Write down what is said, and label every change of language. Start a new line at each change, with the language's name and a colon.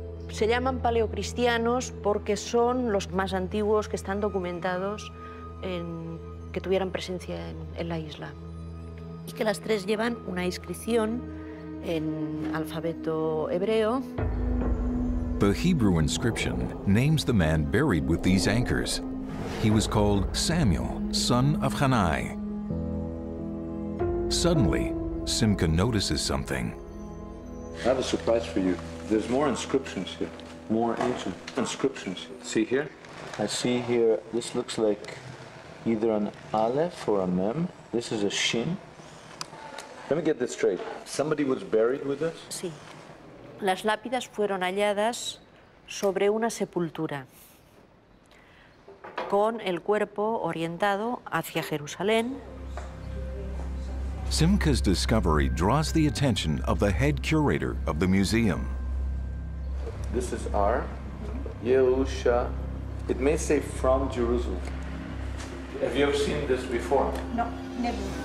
Spanish: Se llaman paleocristianos porque son los más antiguos que están documentados en que tuvieran presencia en la isla. Y que las tres llevan una inscripción en alfabeto hebreo.
English: The Hebrew inscription names the man buried with these anchors. He was called Samuel, son of Hanai. Suddenly, Simcha notices something. I have a surprise for you. There's more inscriptions here, more ancient inscriptions. See here? I see here, this looks like either an aleph or a mem. This is a shin. Let me get this straight. Somebody was buried with this?
Spanish: Sí. Las lápidas fueron halladas sobre una sepultura con el cuerpo orientado hacia Jerusalén.
English: Simcha's discovery draws the attention of the head curator of the museum. This is our Yehusha. It may say from Jerusalem. Have you ever seen this before? No, never.